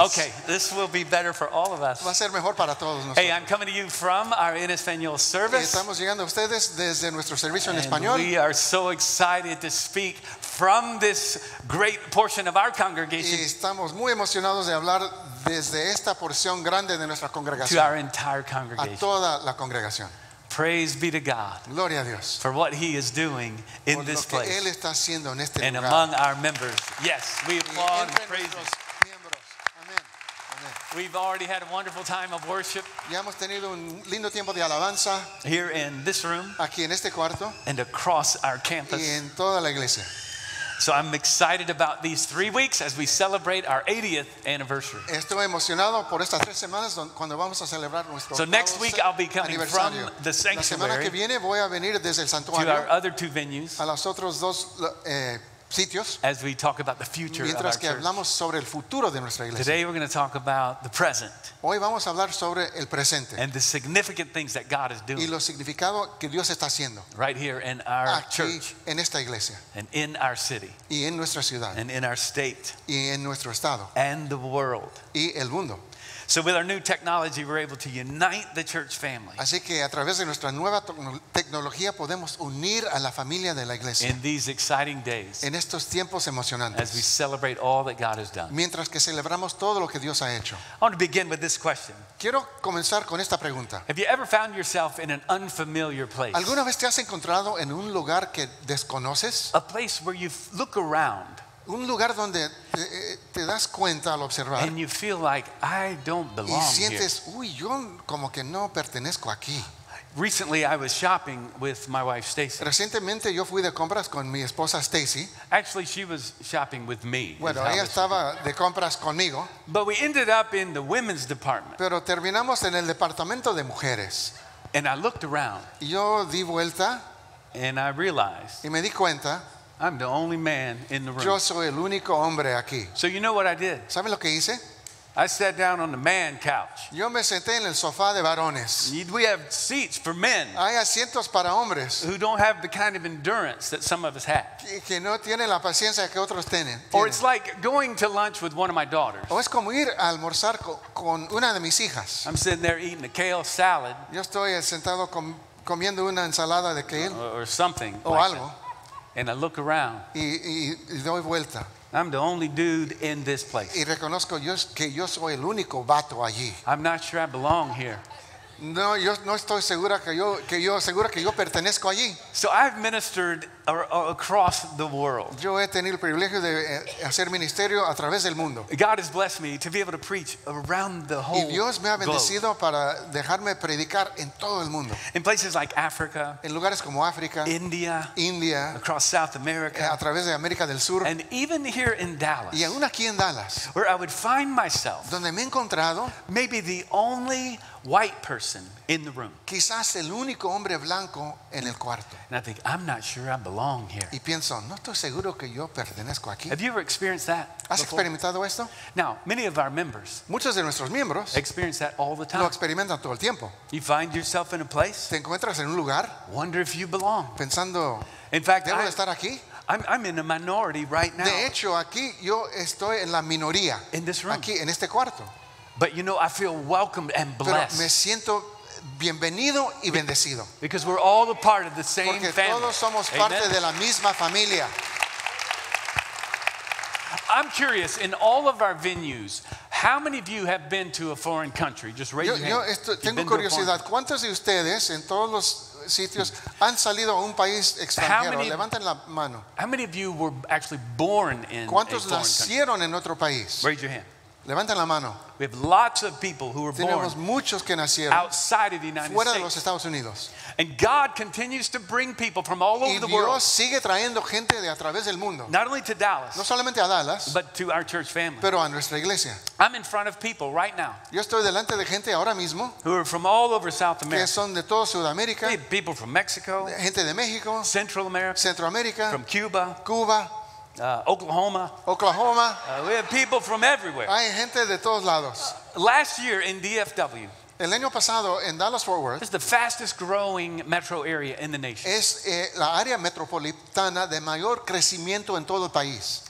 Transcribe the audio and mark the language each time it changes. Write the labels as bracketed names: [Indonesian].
[English] Okay, this will be better for all of us. [Spanish] Va a ser mejor para todos nosotros. [English] Hey, I'm coming to you from our En Español service. [Spanish] Estamos llegando a ustedes desde nuestro servicio en español. [English] We are so excited to speak from this great portion of our congregation. [Spanish] Y estamos muy emocionados de hablar desde esta porción grande de nuestra congregación. [English] To our entire congregation. [Spanish] A toda la congregación. [English] Praise be to God. [Spanish] Gloria a Dios. [English] For what he is doing in this place. [Spanish] Él está haciendo en este [English] and [Spanish] lugar. [English] Among our members. Yes, we applaud and praise him. Amen. We've already had a wonderful time of worship. [Spanish] Ya hemos tenido un lindo tiempo de alabanza. [English] Here in this room. [Spanish] Aquí en este cuarto. [English] And across our campus. [Spanish] Y en toda la iglesia. [English] So I'm excited about these 3 weeks as we celebrate our 80th anniversary. [Spanish] Estoy emocionado por estas tres semanas cuando vamos a celebrar nuestro. [English] So next week I'll be coming from the sanctuary. [Spanish] La semana que viene voy a venir desde el santuario. [English] To our other two venues. [Spanish] A los otros dos sitios. [English] As we talk about the future. [Spanish] Mientras que hablamos sobre el futuro de nuestra iglesia. [English] Today we're going to talk about the present. [Spanish] Hoy vamos a hablar sobre el presente. [English] And the significant things that God is doing. [Spanish] Y lo significado que Dios está haciendo. [English] Right here in our [Spanish] aquí, [English] church. [Spanish] En esta iglesia. [English] And in our city. [Spanish] Y en nuestra ciudad. [English] And in our state. [Spanish] Y en nuestro estado. [English] And the world. [Spanish] Y el mundo. [English] So with our new technology, we're able to unite the church family. [Spanish] Así que a través de nuestra nueva tecnología podemos unir a la familia de la iglesia. [English] In these exciting days. [Spanish] En estos tiempos emocionantes. [English] As we celebrate all that God has done. [Spanish] Mientras que celebramos todo lo que Dios ha hecho. [English] I want to begin with this question. [Spanish] Quiero comenzar con esta pregunta. [English] Have you ever found yourself in an unfamiliar place? [Spanish] ¿Alguna vez te has encontrado en un lugar que desconoces? [English] A place where you look around. [Spanish] Un lugar donde te das cuenta al observar. [English] And you feel like I don't belong [Spanish] y sientes, [English] here. [Spanish] Uy, yo como que no pertenezco aquí. [English] Recently, I was shopping with my wife Stacy. [Spanish] Recientemente, yo fui de compras con mi esposa Stacy. [English] Actually, she was shopping with me. [Spanish] Bueno, ella estaba de compras conmigo. [English] But we ended up in the women's department. [Spanish] Pero terminamos en el departamento de mujeres. [English] And I looked around. [Spanish] Y yo di vuelta. [English] And I realized. [Spanish] Y me di cuenta. [English] I'm the only man in the room. [Spanish] Yo soy el único hombre aquí. [English] So you know what I did? [Spanish] ¿Sabe lo que hice? [English] I sat down on the man couch. [Spanish] Yo me senté en el sofá de varones. [English] We have seats for men. [Spanish] Hay asientos para hombres. [English] Who don't have the kind of endurance that some of us have. [Spanish] Que no tienen la paciencia que otros tienen. [English] Or it's like going to lunch with one of my daughters. [Spanish] O es como ir a almorzar con una de mis hijas. [English] I'm sitting there eating a kale salad. [Spanish] Yo estoy sentado comiendo una ensalada de kale. [English] Or something. [Spanish] O [English] like [Spanish] algo. [English] That. And I look around. [Spanish] Y doy vuelta. [English] I'm the only dude in this place. [Spanish] Y reconozco yo que yo soy el único vato allí. [English] I'm not sure I belong here. [Spanish] No, yo no estoy segura que yo pertenezco allí. [English] So I've ministered across the world. [Spanish] Yo he tenido el privilegio de hacer ministerio a través del mundo. [English] God has blessed me to be able to preach around the whole. [Spanish] Y Dios me ha bendecido [English] globe. [Spanish] Para dejarme predicar en todo el mundo. [English] In places like Africa. [Spanish] En lugares como África. [English] India. Across South America. [Spanish] A través de América del Sur. [English] And even here in Dallas. [Spanish] Y aún aquí en Dallas. [English] Where I would find myself. [Spanish] Donde me he encontrado. [English] Maybe the only white person in the room. [Spanish] Quizás el único hombre blanco en el cuarto. [English] And I think I'm not sure I belong here. [Spanish] Y pienso, no estoy seguro que yo pertenezco aquí. [English] Have you ever experienced that? [Spanish] ¿Has experimentado esto? [English] Now, many of our members. [Spanish] Muchos de nuestros miembros. [English] Experience that all the time. [Spanish] Lo experimentan todo el tiempo. [English] You find yourself in a place. [Spanish] Te encuentras en un lugar. [English] Wonder if you belong. [Spanish] Pensando. [English] In fact, [Spanish] debo de estar aquí. [English] I'm in a minority right now. [Spanish] De hecho, aquí yo estoy en la minoría. [English] In this room. [Spanish] Aquí, en este cuarto. [English] But you know, I feel welcomed and blessed. [Spanish] Pero me siento bienvenido y bendecido. [English] Because we're all a part of the same [Spanish] Porque [English] family. [Spanish] Todos somos Amen. Parte de la misma familia. [English] I'm curious, in all of our venues, how many of you have been to a foreign country? Just raise your hand. [Spanish] Yo tengo curiosidad. ¿Cuántos de ustedes en todos los sitios han salido a un país extranjero? Levanten la mano. [English] How many of you were actually born in [Spanish] ¿Cuántos [English] a foreign [Spanish] nacieron [English] country? [Spanish] En otro país? [English] Raise your hand. [Spanish] Levanten la mano. [English] We have lots of people who were [Spanish] Tenemos [English] born [Spanish] muchos que nacieron [English] outside of the United [Spanish] fuera [English] States. [Spanish] De los Estados Unidos. [English] And God continues to bring people from all [Spanish] y [English] over [Spanish] Dios [English] the world. [Spanish] Sigue trayendo gente de a través del mundo. [English] Not only to Dallas, [Spanish] no solamente a Dallas, [English] but to our church family. [Spanish] Pero a nuestra iglesia. [English] I'm in front of people right now. [Spanish] Yo estoy delante de gente ahora mismo [English] who are from all over South America. [Spanish] Que son de toda Sudamérica. [English] People from Mexico. [Spanish] Gente de México. [English] Central America. [Spanish] Centroamérica. [English] From Cuba. [Spanish] Cuba. [English] Oklahoma. [Spanish] Oklahoma. [English] We have people from everywhere. [Spanish] Hay gente de todos lados. [English] Last year in DFW. [Spanish] El año pasado en Dallas-Fort Worth. [English] This is the fastest growing metro area in the nation. [Spanish] Es la área metropolitana de mayor crecimiento en todo el país.